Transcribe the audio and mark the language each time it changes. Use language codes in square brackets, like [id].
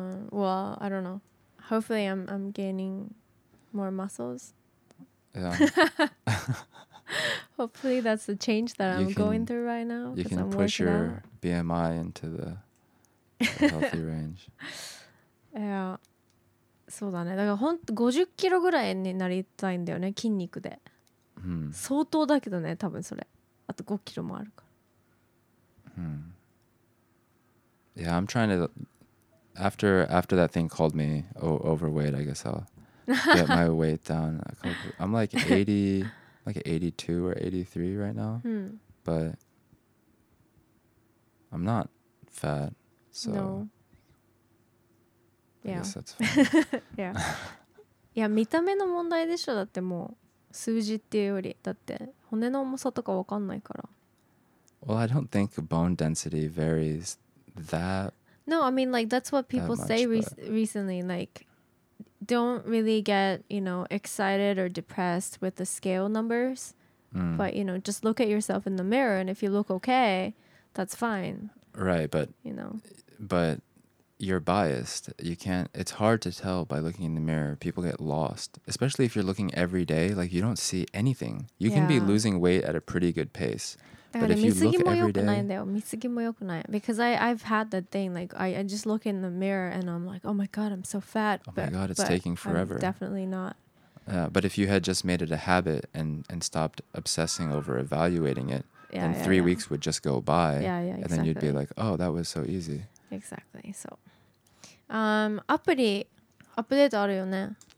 [en] Well, I don't know. Hopefully I'm gaining more muscles. Yeah. Hopefully that's the change that I'm going through right now. You can push your BMI into the healthy range. Yeah. [ja] そうだね。だから本当50キロぐらいになりたいんだよね、筋肉で。相当だけどね、多分それ。あと5キロもあるから。 [en] Yeah, I'm trying to. After that thing called me overweight, I guess I'll get my weight down. I'm like 80, like 82 or 83 right now. But I'm not fat, so. No. I guess that's fine. Yeah. Yeah, [ja] 見た目の問題でしょ。だってもう数字っていうより、だって骨の重さとかわかんないから。 [en] Well, I don't think bone density varies. That's what people say recently, like, don't really get, you know, excited or depressed with the scale numbers, but, you know, just look at yourself in the mirror, and if you look okay, that's fine, right? But you know, but you're biased. You can't, it's hard to tell by looking in the mirror. People get lost, especially if you're looking every day. Like, you don't see anything. You can be losing weight at a pretty good pace. Because I've had that thing, like, I just look in the mirror and I'm like, oh my God, I'm so fat. It's taking forever. I'm definitely not. But if you had just made it a habit and stopped obsessing over evaluating it, then three weeks would just go by. Yeah, exactly. And then you'd be like, oh, that was so easy. Exactly. So, [ja] アプリ、アップデートあるよね?